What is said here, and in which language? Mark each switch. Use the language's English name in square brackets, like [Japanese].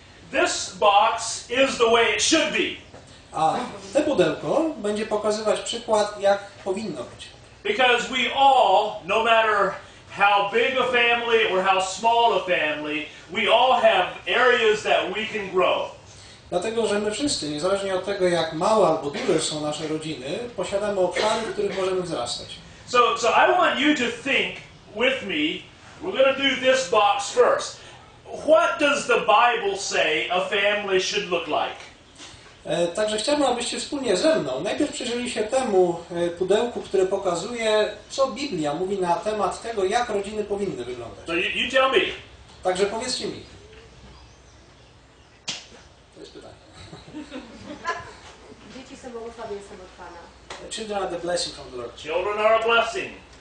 [English] This box is the way it should be. [Polish] A te pudełko będzie pokazywać przykład, jak powinno być. [English] Because we all, no matter how big a family or how small a family, we all have areas that we can grow. [Polish] Dlatego, że my wszyscy, niezależnie od tego, jak małe albo duże są nasze rodziny, posiadamy obszary, w których możemy wzrastać. [English] So I want you to think with me, we're going to do this box first. What does the Bible say a family should look like? [Polish] Także chciałbym, abyście wspólnie ze mną najpierw przyjrzeli się temu pudełku, które pokazuje, co Biblia mówi na temat tego, jak rodziny powinny wyglądać. So you tell me. Także powiedzcie mi. To jest pytanie. Dzieci są błogosławieństwem od Pana. [English] Children are the blessing from the Lord. Children are a blessing.